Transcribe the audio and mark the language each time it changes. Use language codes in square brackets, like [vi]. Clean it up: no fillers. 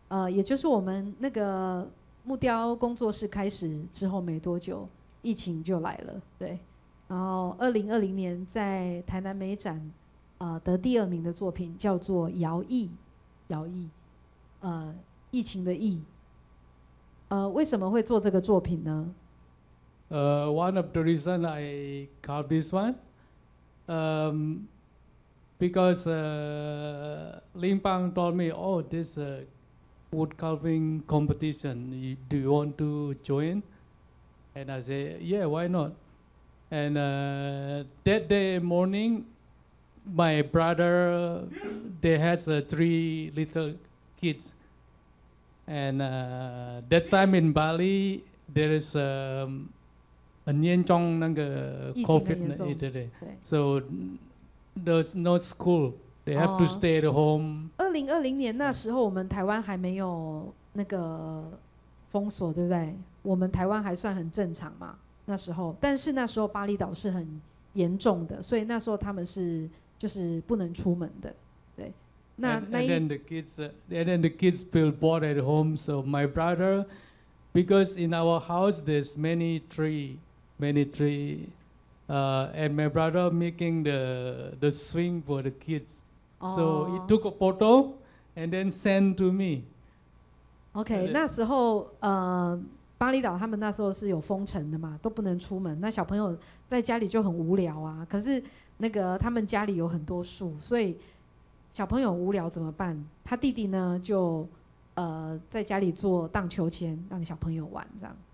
[zh] 也就是我们那个木雕工作室开始之后没多久，疫情就来了，对。然后2020年在台南美展，得第二名的作品叫做《摇曳》，摇曳，疫情的疫。为什么会做这个作品呢？ [en] One of the reason I call this one, because Lin Bang told me, oh, this wood carving competition, do you want to join? And I say, yeah, why not? And that day morning, my brother, they has three little kids. And that time in Bali, there is an [zh] 严重那个 [en] COVID. [zh] 疫情很严重。 [en] 对。So there's no school. They have to stay at home. [zh] 2020年那时候，我们台湾还没有那个封锁，对不对？我们台湾还算很正常嘛。那时候，但是那时候巴厘岛是很严重的，所以那时候他们是就是不能出门的。对，那 [en] and then the kids feel bored at home. So my brother, because in our house there's many tree, and my brother making the swing for the kids. So he took a photo and then send to me. [zh] Okay, 那时候巴厘岛他们那时候是有封城的嘛，都不能出门。那小朋友在家里就很无聊啊。可是那个他们家里有很多树，所以小朋友无聊怎么办？他弟弟呢就在家里做荡秋千，让小朋友玩这样。